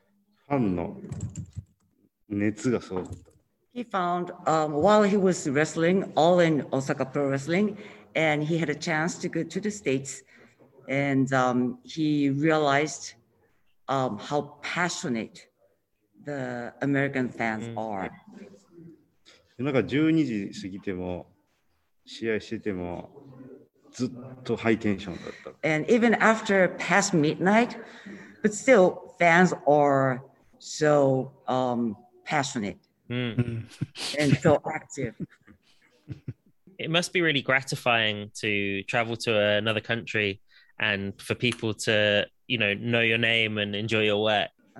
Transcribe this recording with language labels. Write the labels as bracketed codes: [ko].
[ja] はい。今まで、その、大阪でしか試合がしたことがなくて、アメリカに行って試合して、その、ファンの熱がすごかった。 [en] He found while he was wrestling all in Osaka Pro Wrestling, and he had a chance to go to the States, and he realized how passionate the American fans are. [ja] なんか12時過ぎても試合しててもずっとハイテンションだった。 [en] And even after past midnight, but still fans are so passionate. And so active. It must be really gratifying to travel to another country and for people to, you know your name and enjoy your work.